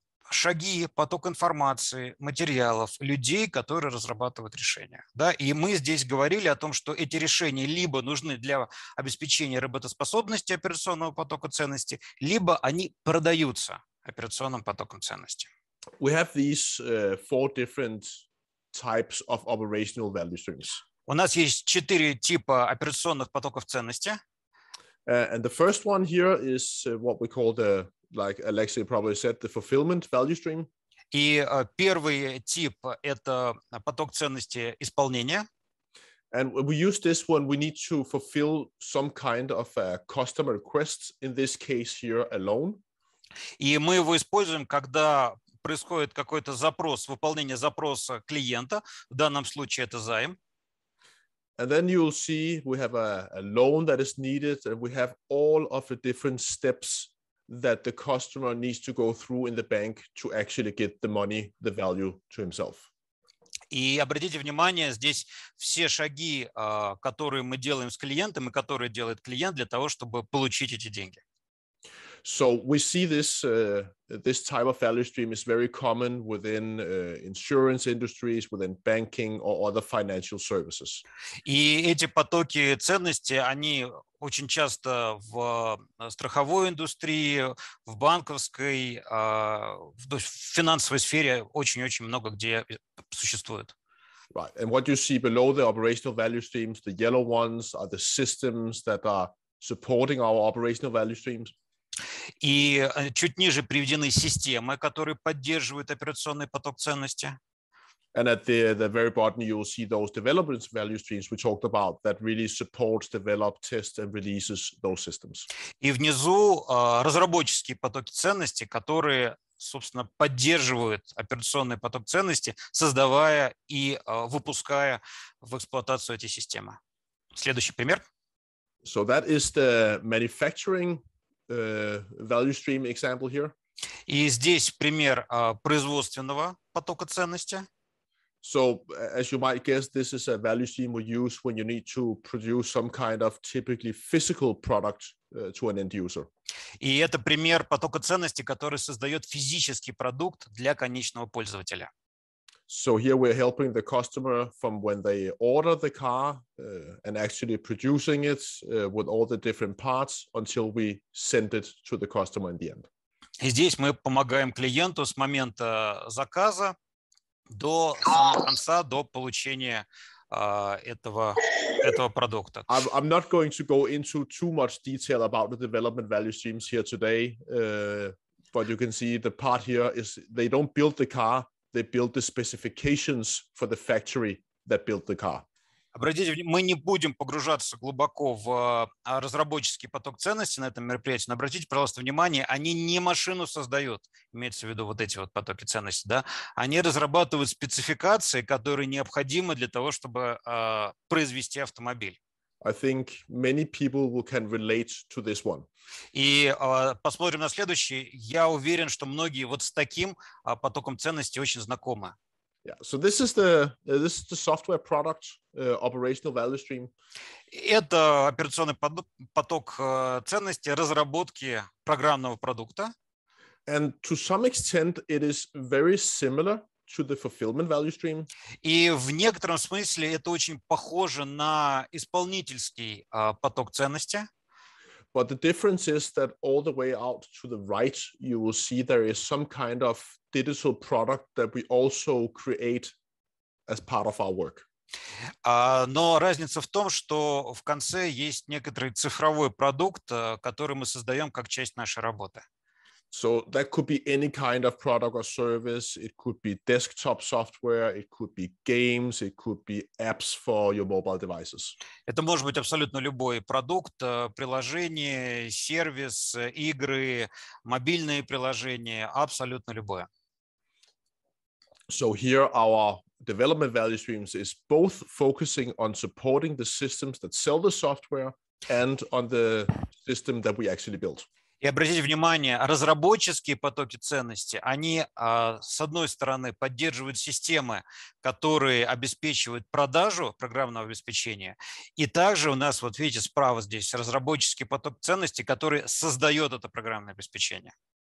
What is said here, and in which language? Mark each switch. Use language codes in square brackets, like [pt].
[ru] Шаги, поток информации, материалов, людей, которые разрабатывают решения. Да? И мы здесь говорили о том, что эти решения либо нужны для обеспечения работоспособности операционного потока ценности, либо они продаются операционным потоком ценности. [en] We have these four different types of operational value streams. [ru] У нас есть четыре типа операционных потоков ценности. [en] And the first one here is what we call the, like Alexey probably said, the fulfillment value stream. [ru] И первый тип – это поток ценности исполнения. [en] And we use this when we need to fulfill some kind of a customer request, in this case here a loan. [ru] И мы его используем, когда происходит какой-то запрос, выполнение запроса клиента, в данном случае это займ. [en] And then you'll see we have a loan that is needed, and we have all of the different steps that the customer needs to go through in the bank to actually get the money, the value to himself. [ru] И обратите внимание, здесь все шаги, которые мы делаем с клиентом, и которые делает клиент для того, чтобы получить эти деньги. [en] So we see this this type of value stream is very common within insurance industries, within banking or other financial services. [ru] И эти потоки ценности, они очень часто в страховой индустрии, в банковской, в финансовой сфере очень-очень много где существует. [en] Right. And what you see below the operational value streams, the yellow ones are the systems that are supporting our operational value streams. [ru] И чуть ниже приведены системы, которые поддерживают операционный поток ценности. [en] And at the very bottom, you will see those development value streams we talked about that really supports, develop, test, and releases those systems. [ru] И внизу разработческие потоки ценности, которые, собственно, поддерживают операционный поток ценности, создавая и выпуская в эксплуатацию эти системы. Следующий пример. [en] So that is the manufacturing value stream example here. [ru] И здесь пример производственного потока ценности. [en] So, as you might guess, this is a value stream we use when you need to produce some kind of typically physical product to an end user. [ru] И это пример потока ценности, который создает физический продукт для конечного пользователя. [en] So here we're helping the customer from when they order the car and actually producing it with all the different parts until we send it to the customer in the end. [ru] И здесь мы помогаем клиенту с момента заказа до самого конца, до получения этого продукта. [en] I'm not going to go into too much detail about the development value streams here today, but you can see the part here is they don't build the car, they build the specifications for the factory that built the car. [ru] Обратите внимание, мы не будем погружаться глубоко в разработческий поток ценности на этом мероприятии, но обратите, пожалуйста, внимание, они не машину создают, имеется в виду вот эти вот потоки ценности, да? Они разрабатывают спецификации, которые необходимы для того, чтобы произвести автомобиль. [en] I think many people can relate to this one. [ru] И посмотрим на следующий. Я уверен, что многие вот с таким потоком ценности очень знакомы. [en] Yeah, so this is the software product operational value stream. [ru] Это операционный поток ценности разработки программного продукта. [en] And to some extent, it is very similar to the fulfillment value stream. [ru] И в некотором смысле это очень похоже на исполнительский поток ценности. [en] But the difference is that all the way out to the right, you will see there is some kind of digital product that we also create as part of our work. [ru] Но разница в том, что в конце есть некоторый цифровой продукт, который мы создаем как часть нашей работы. [en] So that could be any kind of product or service. It could be desktop software. It could be games. It could be apps for your mobile devices. [ru] Это может быть абсолютно любой продукт, приложение, сервис, игры, мобильные приложения, абсолютно любое. [en] So here our development value streams is both focusing on supporting the systems that sell the software and on the system that we actually build. [ru] И обратите внимание, разработческие потоки ценности, они, с одной стороны, поддерживают системы, которые обеспечивают продажу программного обеспечения, и также у нас, вот видите, справа здесь разработческий поток ценности, который создает это программное обеспечение.